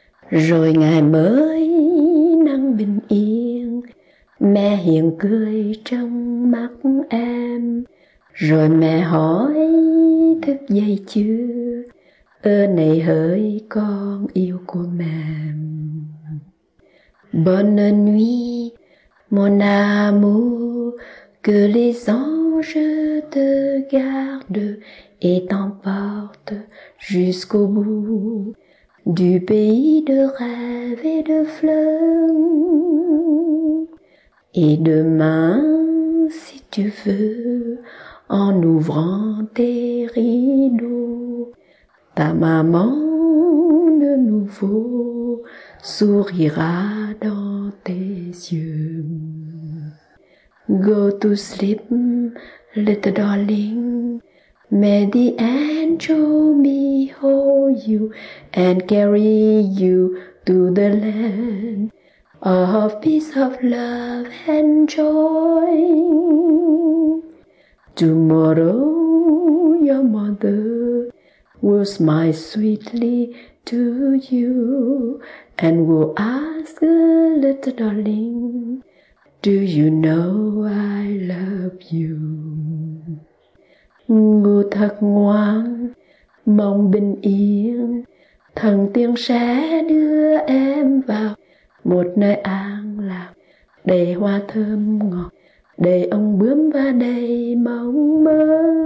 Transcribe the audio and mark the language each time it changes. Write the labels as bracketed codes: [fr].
[vi] Rồi ngày mới nắng bình yên, mẹ hiền cười trong mắt em. Rồi mẹ hỏi thức dậy chưa, ơ này hỡi con yêu của mẹ. [fr] Bonne nuit, mon amour, que les anges te gardent et t'emportent jusqu'au bout du pays de rêves et de fleurs. Et demain, si tu veux, en ouvrant tes rideaux, ta maman de nouveau sourira dans tes yeux. [en] Go to sleep, little darling. May the angel behold you and carry you to the land of peace, of love and joy. Tomorrow, your mother will smile sweetly to you and will ask, little darling, do you know I love you? [vi] Ngủ thật ngoan, mong bình yên. Thần tiên sẽ đưa em vào một nơi an lạc, đầy hoa thơm ngọt, đầy ông bướm và đầy mong mơ.